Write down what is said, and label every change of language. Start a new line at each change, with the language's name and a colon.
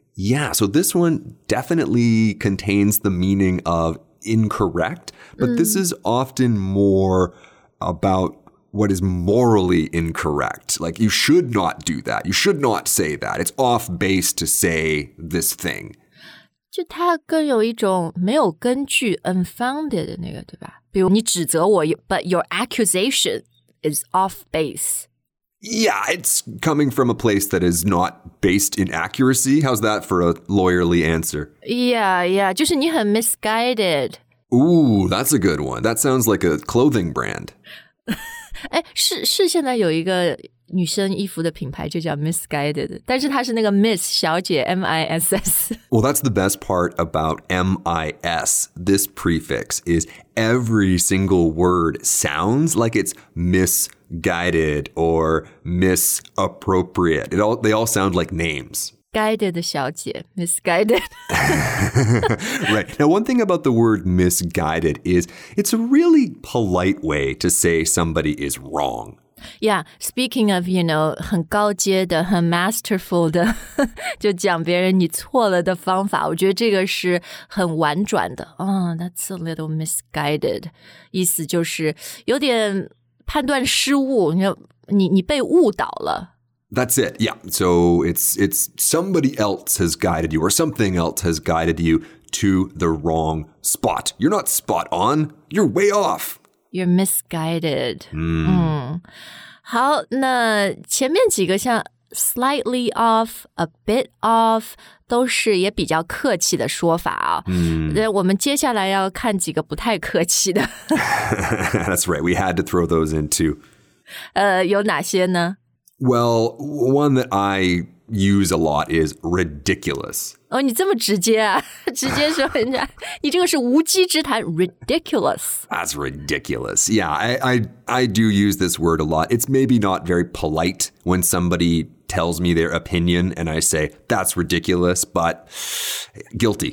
English: Yeah, so this one definitely contains the meaning of incorrect, but this is often more about what is morally incorrect. Like, you should not do that. You should not say that. It's off base to say this thing.
Chinese: 就它更有一种没有根据 unfounded 的那个，对吧？比如你指责我
English: but your accusation is off base. Yeah, it's coming from a place that is not based in accuracy. How's that for a lawyerly answer?
Chinese: Yeah, yeah, 就是你很 misguided.
English: Ooh, that's a good one. That sounds like a clothing brand.
Chinese: 哎，是现在有一个女生衣服的品牌就叫 misguided, 但是她是那个 miss 小姐 M-I-S-S.
English: Well, that's the best part about M-I-S. This prefix is every single word sounds like it's misguided or misappropriate. They all sound like names. Guided 小姐 misguided. Right. Now, one thing about the word misguided is it's a really polite way to say somebody is wrong. Yeah, speaking of, you know,
Chinese: 很高阶的、很 masterful 的，就讲别人你错了的方法，我觉得这个是很婉转的。
English: Oh, that's a little misguided.
Chinese: 意思就是有点判断失误，你被误导了。
English: That's it, yeah. So it's somebody else has guided you or something else has guided you to the wrong spot. You're not spot on, you're way off. You're misguided.
Chinese: 好，那前面几个像
English: slightly off, a bit off,
Chinese: 都是也比较客气的说法啊。那我们接下来要看几个不太客气的。
English: That's right, we had to throw those in too.
Chinese: 有哪些呢？
English: Well, one that I use a lot is ridiculous.
Chinese: 哦，你这么直接啊，直接说人家，你这个是无稽之谈 ,ridiculous.
English: That's ridiculous. Yeah, I do use this word a lot. It's maybe not very polite when somebody tells me their opinion and I say, that's ridiculous, but guilty.